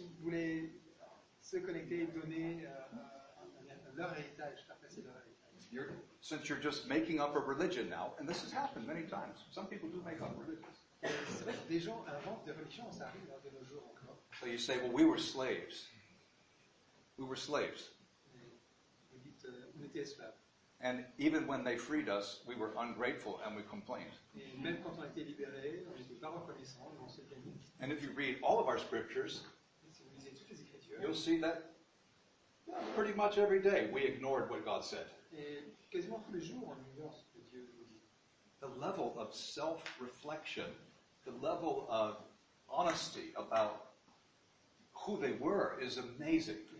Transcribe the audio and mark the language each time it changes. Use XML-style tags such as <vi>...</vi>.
<fr>Ils voulaient se connecter, donner leur héritage, faire passer leur héritage.</fr> <en>Since you're just making up a religion now, and this has happened many times, some people do make up religions.</en> <fr>C'est vrai que des gens inventent des religions, ça arrive de nos jours encore.</fr> <en>So you say, well, we were slaves. We were slaves.</en> <fr>Vous dites, on était esclaves.</fr> <en>And even when they freed us, we were ungrateful and we complained.</en> <fr>Et même quand on a été libéré, on n'était pas reconnaissant, on se plaignait.</fr> <en>And if you read all of our scriptures,</en> <fr>si vous lisez toutes les écritures,</fr> <en>you'll see that pretty much every day we ignored what God said.</en> <fr>Et quasiment tous les jours, on ignore ce que Dieu nous dit.</fr> <en>The level of self-reflection, the level of honesty about who they were is amazing.</en>